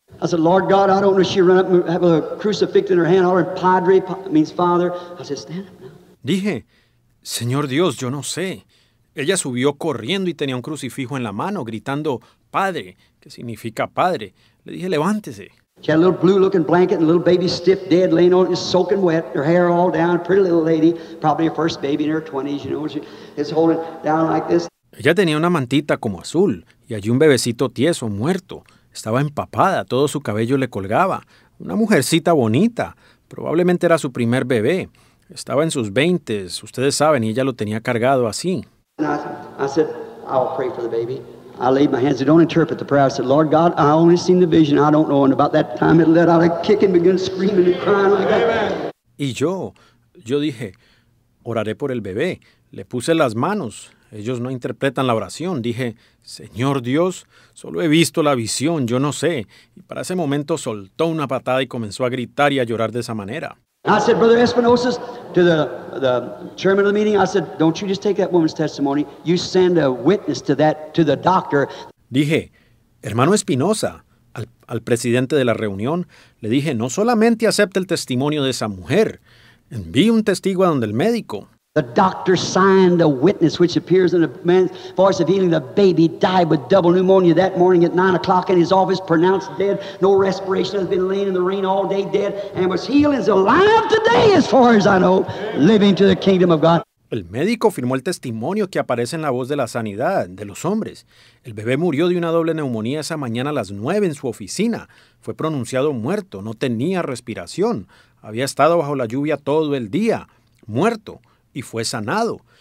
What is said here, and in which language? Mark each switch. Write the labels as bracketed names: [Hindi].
[English] I said, Lord God, I don't know if she run up have a crucifix in her hand, or padre, means father. I said, stand up now. [Spanish] Dije, Señor Dios, yo no sé. Ella subió corriendo y tenía un crucifijo en la mano, gritando, padre, que significa padre. Le dije, levántese. [English] She had a little blue-looking blanket and a little baby stiff, dead, laying on it, soaking wet, her hair all down, pretty little lady, probably her first baby in her 20s, you know, she is holding down like this. [Spanish] Ella tenía una mantita como azul y allí un bebecito tieso, muerto. Estaba empapada, todo su cabello le colgaba. Una mujercita bonita. Probablemente era su primer bebé. Estaba en sus veintes, ustedes saben, y ella lo tenía cargado así. [English] I said, I'll pray for the baby. I laid my hands, don't interpret the prayer. I said, Lord God, I only seen the vision, I don't know. And about that time it let out a kick and began screaming and crying. Like that. [Spanish] Y yo dije, oraré por el bebé. Le puse las manos. Ellos no interpretan la oración. Dije, Señor Dios, solo he visto la visión, yo no sé. Y para ese momento soltó una patada y comenzó a gritar y a llorar de esa manera. [English] I said, Brother Espinosa, to the chairman of the meeting, I said, don't you just take that woman's testimony, you send a witness to that, to the doctor. [Spanish] Dije, hermano Espinosa, al presidente de la reunión, le dije, no solamente acepte el testimonio de esa mujer, envíe un testigo a donde el médico. [English] The doctor signed a witness which appears in a man's voice of healing. The baby died with double pneumonia that morning at 9 o'clock in his office, pronounced dead. No respiration, has been laying in the rain all day dead, and was healed and is alive today, as far as I know, living to the kingdom of God. [Spanish] El médico firmó el testimonio que aparece en la voz de la sanidad de los hombres. El bebé murió de una doble neumonía esa mañana a las 9 en su oficina. Fue pronunciado muerto, no tenía respiración. Había estado bajo la lluvia todo el día, muerto. Y fue sanado.